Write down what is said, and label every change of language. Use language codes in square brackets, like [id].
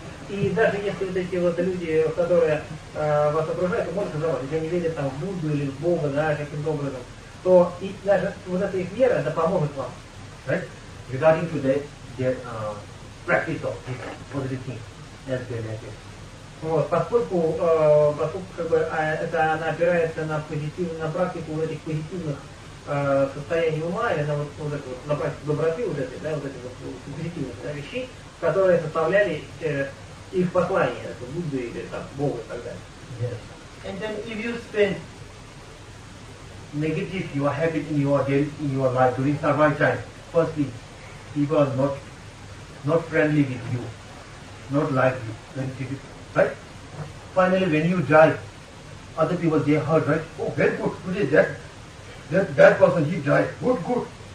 [ru] И даже если вот эти вот люди, которые вас окружают, можно сказать, если они верят там в Будду или в Бога, да, каким-то образом, то и даже вот эта их вера, это поможет вам. [en] Right? Regarding to their practice of this positive thing, as they like it. [ru] Вот, поскольку как бы это она опирается на позитивную, на практику вот этих позитивных состояний ума, или на вот, вот, вот на практику доброты вот этой, да, вот этих вот, вот позитивных да, вещей, которые составляли их послание, это Будды или там Бога и так далее. [en] Yes. And then if you spend negative your habit in your day, in your life during survival time, firstly, people are not friendly with you, not like you, right? Finally, when you die, other people they heard, right? Oh, very good, today that bad person, he died, good.